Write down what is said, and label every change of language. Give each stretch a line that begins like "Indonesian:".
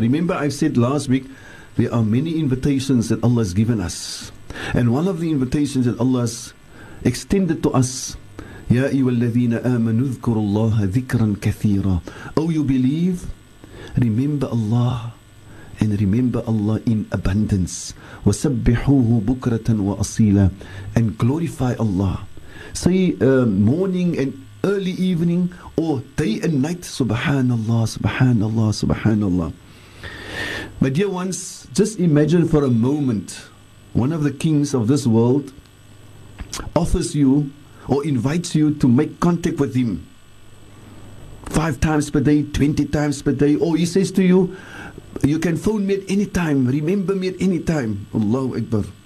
English: Remember, I said last week, there are many invitations that Allah has given us. And one of the invitations that Allah has extended to us,
Arabic: يا أيها الذين آمنوا اذكروا الله ذكرا كثيرا.
English: Oh, you believe, remember Allah and remember Allah in abundance.
Arabic: وسبحوه بكرة وأصيلا,
English: and glorify Allah. Say morning and early evening or day and night. Subhanallah, Subhanallah, Subhanallah. My dear ones, just imagine for a moment, one of the kings of this world offers you or invites you to make contact with him 5 times per day, 20 times per day, or he says to you, you can phone me at any time, remember me at any time. Allahu Akbar.